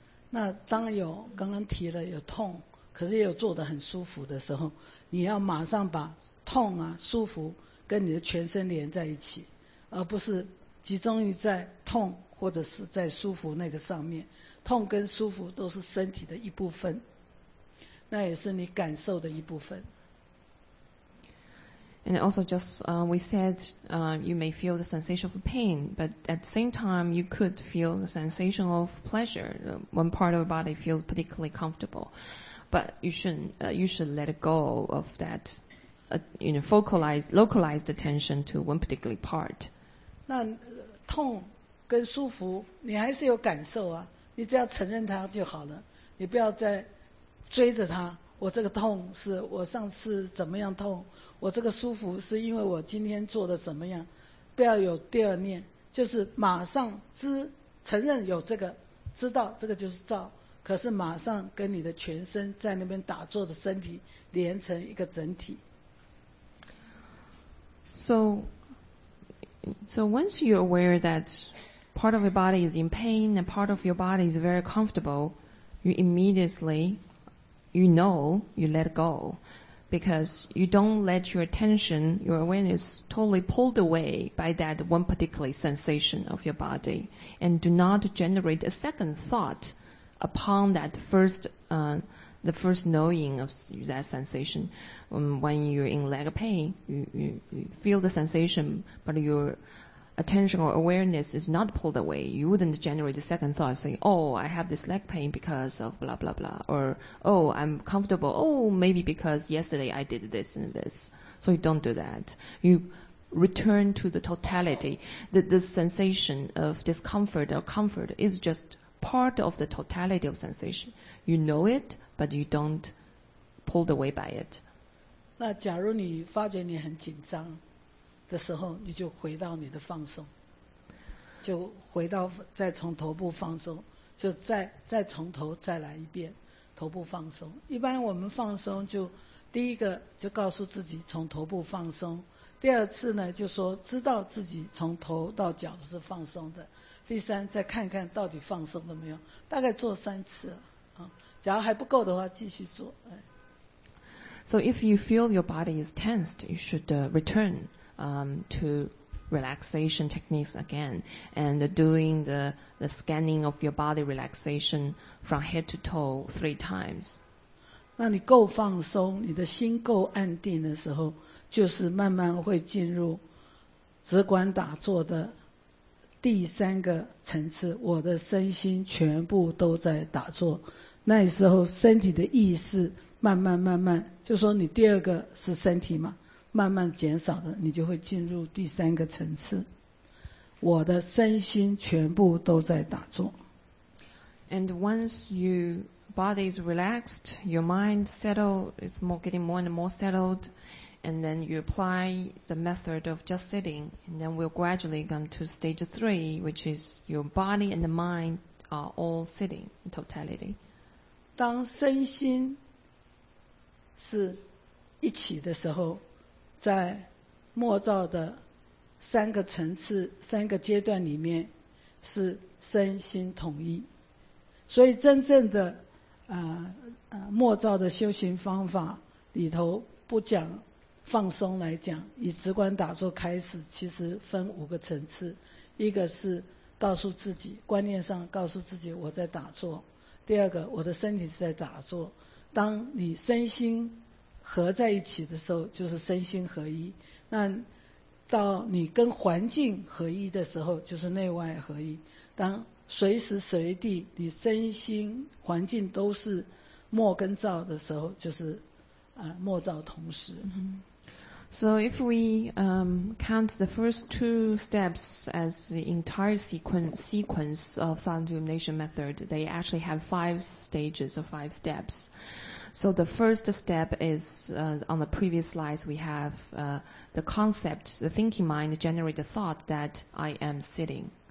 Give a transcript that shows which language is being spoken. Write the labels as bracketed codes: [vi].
[zh] 那当有刚刚提了有痛，可是也有坐得很舒服的时候，你要马上把痛啊、舒服跟你的全身连在一起，而不是集中于在痛或者是在舒服那个上面。痛跟舒服都是身体的一部分，那也是你感受的一部分。 [en] And also just we said you may feel the sensation of pain, but at the same time you could feel the sensation of pleasure. One part of the body feels particularly comfortable, but you should let go of that, localized attention to one particular part. [zh] 那痛跟舒服，你还是有感受啊，你只要承认它就好了，你不要再追着它。我这个痛是我上次怎么样痛，我这个舒服是因为我今天做的怎么样，不要有第二念，就是马上知承认有这个，知道这个就是照，可是马上跟你的全身在那边打坐的身体连成一个整体。 [en] So once you're aware that part of your body is in pain and part of your body is very comfortable, you let go, because you don't let your attention, your awareness, totally pulled away by that one particular sensation of your body, and do not generate a second thought upon that first knowing of that sensation. When you're in leg pain, you feel the sensation, but your attention or awareness is not pulled away. You wouldn't generate the second thought, say, oh, I have this leg pain because of blah, blah, blah. Or, oh, I'm comfortable. Oh, maybe because yesterday I did this and this. So you don't do that. You return to the totality. The sensation of discomfort or comfort is just part of the totality of sensation. You know it, but you don't pull away by it. [zh] 那假如你发觉你很紧张的时候，你就回到你的放松，就回到再从头部放松，就再从头再来一遍，头部放松。一般我们放松就第一个就告诉自己从头部放松，第二次呢就说知道自己从头到脚是放松的，第三再看看到底放松了没有，大概做三次啊，假如还不够的话继续做。 [en] So if you feel your body is tensed, you should return to relaxation techniques again, and doing the scanning of your body relaxation from head to toe 3 times. [zh] 那你够放松，你的心够安定的时候，就是慢慢会进入直观打坐的第三个层次，我的身心全部都在打坐，那时候身体的意识慢慢慢慢，就说你第二个是身体嘛，慢慢减少的，你就会进入第三个层次，我的身心全部都在打坐。 [en] And once your body is relaxed, your mind settled, it's more getting more and more settled, and then you apply the method of just sitting, and then we'll gradually come to stage 3, which is your body and the mind are all sitting in totality. [zh] 当身心是一起的时候，在默照的三个层次三个阶段里面是身心统一，所以真正的默照的修行方法里头不讲放松，来讲以直观打坐开始，其实分五个层次，一个是告诉自己观念上告诉自己我在打坐，第二个我的身体在打坐，当你身心合在一起的时候就是身心合一，那到你跟环境合一的时候就是内外合一，当随时随地你身心环境都是默跟照的时候，就是默照同时。 [en] So if we count the first two steps as the entire sequence of silent illumination method, they actually have 5 stages or 5 steps. So the first step is, on the previous slides, we have the concept, the thinking mind generate the thought that I am sitting.